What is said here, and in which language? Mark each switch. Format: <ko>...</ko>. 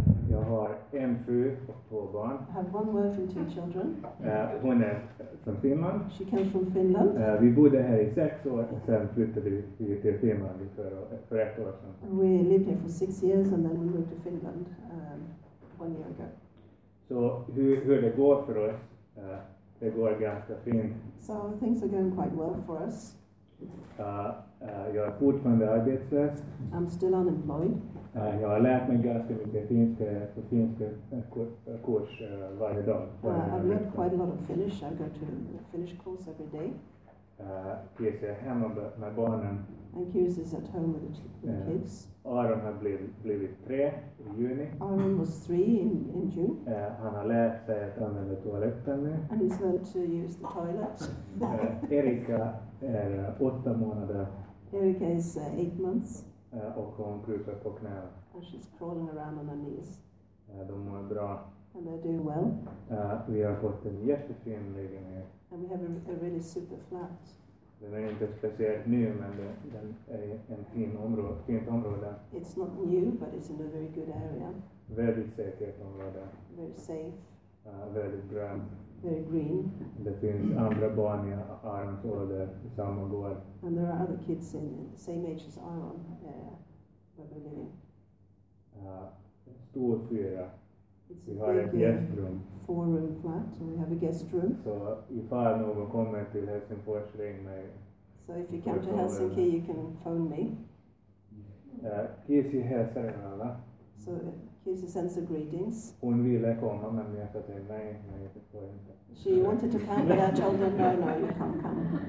<sv>Jag har en fru och två barn.</sv> <en>I have one wife and two children.</en> <sv>Hon är från Finland.</sv> <en>She came from Finland.</en> <sv>Vi bodde här i 6 år och sen flyttade vi till Finland för 1 år sedan.</sv> <en>We lived here for 6 years and then we moved to Finland 1 year ago.</en> <sv>Så hur det går för oss? Det går ganska fint.</sv> <en>So things are going quite well for us.</en> <sv>Jag är fortfarande arbetslös.</sv> <en>I'm still unemployed.</en> <sv>Jag har lärt mig ganska mycket finska på finska kurs varje dag.</sv> <en>I've learned quite a lot of Finnish. I go to Finnish course every day.</en> <sv>Kirsi är hemma med barnen.</sv> <en>And Kirsi is at home with the kids.</en> <sv>Aaron har blivit 3 i juni.</sv> <en>Aaron was 3 in June.</en> <sv>Han har lärt sig att använda toaletten nu.</sv> <en>And he's learned to use the toilet.</en> <sv>Erika är 8 månader.</sv> <en>Erika is 8 months.</en> <sv>Och hon kryper på knä.</sv> <en>And she's crawling around on her knees.</en> <sv>De mår bra.</sv> <en>And they're doing well.</en> <sv>Vi har fått en jättefin lägenhet.</sv> <en>And we have a really super flat.</en> <sv>Den är inte speciellt ny, men den är en fint område.</sv> <en>It's not new, but it's in a very good area.</en> <sv>Väldigt säkert område.</sv> <en>Very safe.</en> <sv>Väldigt grönt.</sv> <en>Very green.</en> <sv>Det finns andra barn i Arons ålder i samma gård.</sv> <en>And there are other kids in the same age as Aron, where they're living.</en> <sv>Stor fyra.</sv> <en>It's</en> <sv>vi har ett gästrum.</sv> <en>4-room flat, and we have a guest room.</en> <sv>Så ifall någon kommer till Helsingfors, ring mig.</sv> <en>So if you come to Helsinki, you can phone me.</en> <sv>Kirsi hälsar en alla.</sv> <en>So Kirsi sends her greetings.</en> <sv>Hon ville komma, men jag sa till mig, nej, det får jag inte.</sv> <en>She wanted to come, but I told her, no, you can't come.</en>